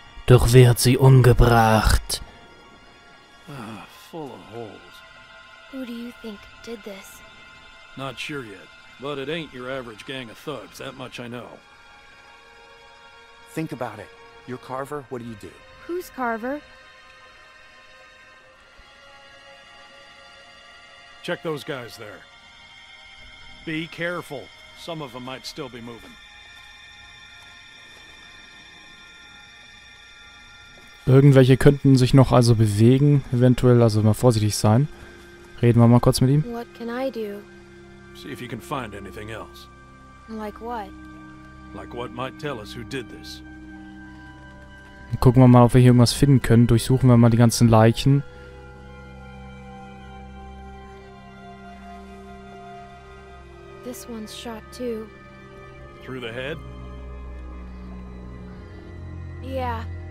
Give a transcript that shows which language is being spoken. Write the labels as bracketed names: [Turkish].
[German] Doch wer hat sie umgebracht? [English] Full of holes. Who do you think did this? Not sure yet, but it ain't your average gang of thugs, that much I know. Think about it. You're Carver, what do you do? Who's Carver? Check those guys there. Be careful. Some of them might still be moving. [German] Irgendwelche könnten sich noch also bewegen, eventuell, also mal vorsichtig sein. Reden wir mal kurz mit ihm. [English] What can I do? See if you can find anything else. Like what? Like what might tell us who did this. [German] Gucken wir mal, ob wir hier irgendwas finden können. Durchsuchen wir mal die ganzen Leichen. [English] This one's shot too. Through the head? Yeah.